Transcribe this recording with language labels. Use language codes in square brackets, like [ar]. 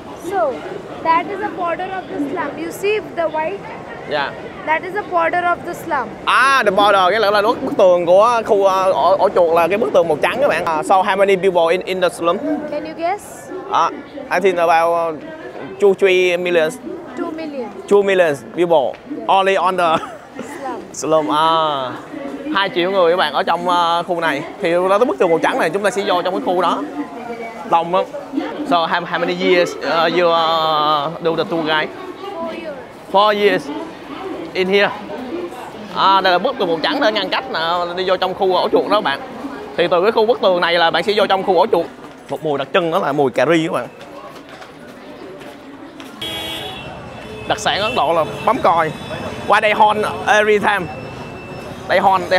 [en] So, that is the border of the slum. You see the white? Yeah. That is the border of the slum. The border, [vi] nghĩa là bức tường của khu ổ chuột là cái bức tường màu trắng các bạn. [en] So, how many people in the slum? Can you guess? I think about 2-3 million. 2 million. 2 million people. Yeah. Only on the slum. [vi] Slum, 2 triệu người các bạn ở trong khu này. Thì đó là bức tường màu trắng này, chúng ta sẽ vô trong cái khu đó. Đông lắm. [en] So how many years you do the tour guide? 4 years. 4 years. in here. [vi] À, đây là bức tường màu trắng để ngăn cách đi vô trong khu ổ chuột đó các bạn. Thì từ cái khu bức tường này là bạn sẽ vô trong khu ổ chuột. Một mùi đặc trưng đó là mùi cà ri các bạn. Đặc sản Ấn Độ là bấm còi. [en] Why they horn every time? They horn the...